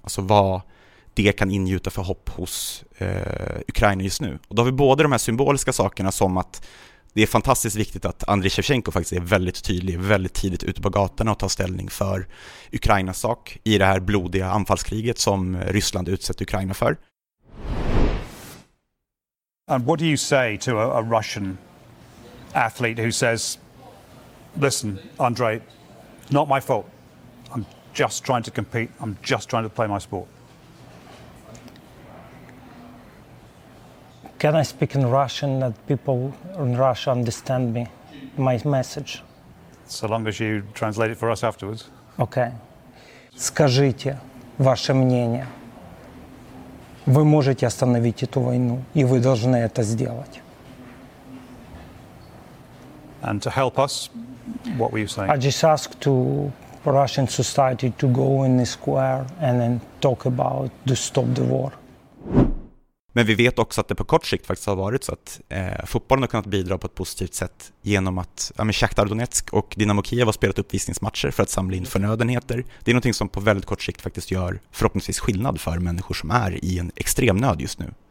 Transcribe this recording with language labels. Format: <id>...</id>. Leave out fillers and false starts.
<sv>Alltså vad det kan ingjuta för hopp hos Ukraina just nu. Och då har vi både de här symboliska sakerna som att det är fantastiskt viktigt att Andriy Shevchenko faktiskt är väldigt tydlig, väldigt tidigt ute på gatorna och tar ställning för Ukrainas sak i det här blodiga anfallskriget som Ryssland utsatt Ukraina för.</sv> <en>And what do you say to a Russian athlete who says, listen, Andrei, not my fault. I'm just trying to compete. I'm just trying to play my sport. Can I speak in Russian that people in Russia understand me, my message? So long as you translate it for us afterwards.</en> <ru>Okay. Скажите ваше мнение. Вы можете остановить эту войну, и вы должны это сделать.</ru> <en>And to help us, what were you saying? I just asked to Russian society to go in the square and then talk about to stop the war.</en> <sv>Men vi vet också att det på kort sikt faktiskt har varit så att fotbollen har kunnat bidra på ett positivt sätt genom att Shakhtar Donetsk och Dynamo Kiev har spelat uppvisningsmatcher för att samla in förnödenheter. Det är någonting som på väldigt kort sikt faktiskt gör förhoppningsvis skillnad för människor som är i en extrem nöd just nu.</sv>